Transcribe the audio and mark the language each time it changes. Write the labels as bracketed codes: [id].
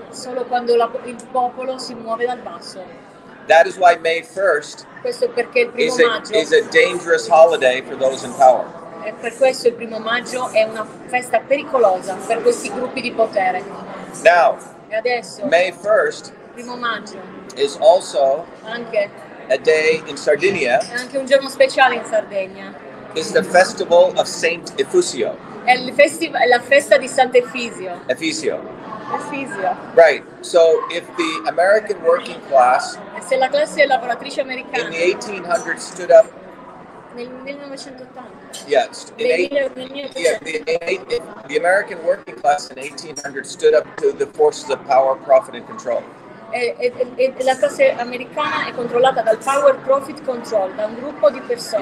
[it] solo quando il popolo si muove dal basso. [en] That is why May 1st is a dangerous holiday for those in power. [it] E per questo il primo maggio è una festa pericolosa per questi gruppi di potere. [en] Now, [it] e adesso, [en] May 1st [it] primo maggio [en] is also [it] anche [en] a day in Sardinia. [it] È anche un giorno speciale in Sardegna. [en] It's the festival of Saint Efusio. [it] È la festa di Sant'Efisio. [en] Efusio. [it] Efusio. [en] Right. So if the American working class, [it] se la classe lavoratrice americana [en] in the 1800s stood up, [it] nel 1980. [en] Yes. The American working class in 1800 stood up to the forces of power, profit and control. [it] E la classe americana è controllata dal [en] power, profit, control, [it] da un gruppo di persone.